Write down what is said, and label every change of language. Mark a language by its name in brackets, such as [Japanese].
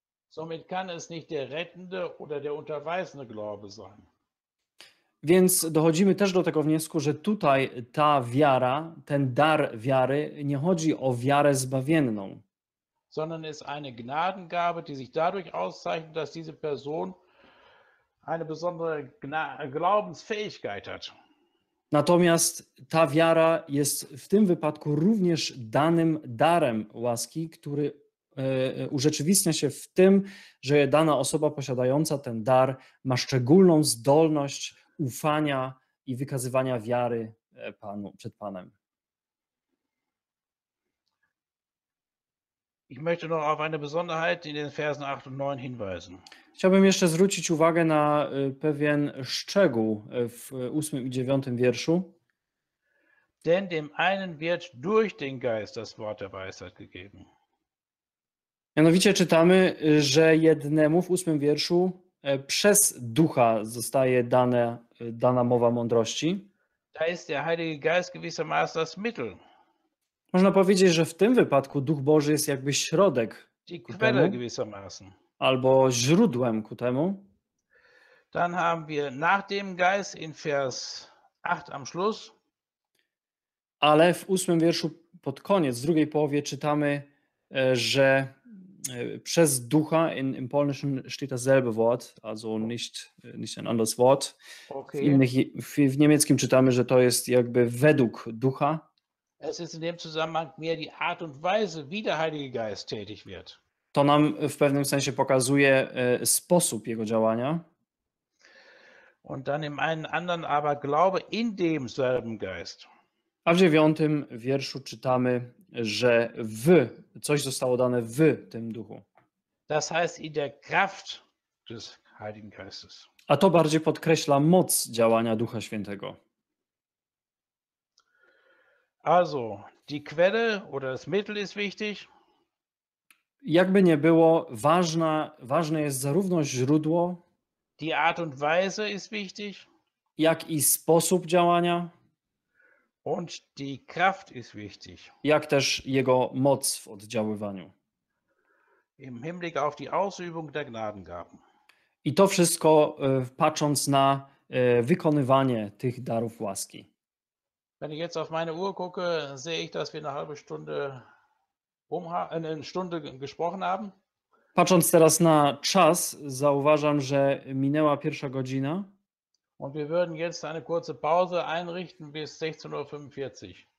[German] Somit kann es nicht der rettende oder der unterweisende Glaube sein. [Polish] Więc dochodzimy też do tego wniosku, że tutaj ta wiara, ten dar wiary, nie chodzi o wiarę zbawienną, [German] sondern ist eine Gnadengabe, die sich dadurch auszeichnet, dass diese Person eine besondere Glaubensfähigkeit hat. [Polish] Natomiast ta wiara jest w tym wypadku również danym darem łaski, który urzeczywistnia się w tym, że dana osoba posiadająca ten dar ma szczególną zdolność ufania i wykazywania wiary Panu, przed Panem. [German] Ich möchte noch auf eine Besonderheit in den Versen 8 und 9 hinweisen. [Polish] Chciałbym jeszcze zwrócić uwagę na pewien szczegół w 8 i 9 wierszu. [German] Denn dem einen wird durch den Geist das Wort der Weisheit gegeben. [Polish] Mianowicie czytamy, że jednemu w 8 wierszu przez Ducha zostaje dana mowa mądrości. [German] Da ist der Heilige Geist gewissermaßen das Mittel. [Polish] Można powiedzieć, że w tym wypadku Duch Boży jest jakby środek [German] Die [Polish] ku [German] Quelle [Polish] temu, [German] gewissermaßen. [Polish] albo źródłem ku temu. [German] Dann haben wir nach dem Geist in Vers 8 am Schluss. [Polish] Ale w 8 wierszu pod koniec, w drugiej połowie czytamy, że przez Ducha, [German] im Polnischen steht dasselbe Wort, also nicht ein anderes Wort. Okay. [Polish] W niemieckim czytamy, że to jest jakby według Ducha. [German] Es ist in dem Zusammenhang mehr die Art und Weise, wie der Heilige Geist tätig wird. [Polish] To nam w pewnym sensie pokazuje sposób jego działania. [German] Und dann im einen anderen aber Glaube in demselben Geist. [Polish] A w 9 wierszu czytamy, że coś zostało dane w tym duchu. [German] Das heißt in der Kraft des Heiligen Geistes. [Polish] A to bardziej podkreśla moc działania Ducha Świętego. [German] Also, die Quelle oder das Mittel ist wichtig. [Polish] Jakby nie było, ważne jest zarówno źródło, [German] die Art und Weise ist wichtig, [Polish] jak i sposób działania. [German] Und die Kraft ist wichtig. [Polish] Jak też jego moc w oddziaływaniu. [German] Im Hinblick auf die Ausübung der Gnadengaben. [Polish] I to wszystko patrząc na wykonywanie tych darów łaski. [German] Wenn ich jetzt auf meine Uhr gucke, sehe ich, dass wir eine halbe Stunde eine Stunde gesprochen haben. [Polish] Patrząc teraz na czas, zauważam, że minęła pierwsza godzina. [German] Und wir würden jetzt eine kurze Pause einrichten bis 16:45.